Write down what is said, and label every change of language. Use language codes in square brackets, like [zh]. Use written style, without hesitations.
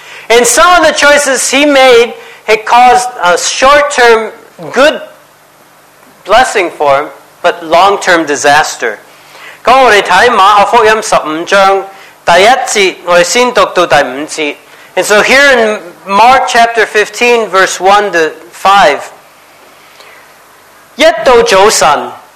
[en] And some of the choices he made, it caused a short-term good blessing for him, but long-term disaster. [zh] 我们看马可福音15章第1节，我们先读到第5节。 [en] And so here in Mark chapter 15, verse 1 to 5.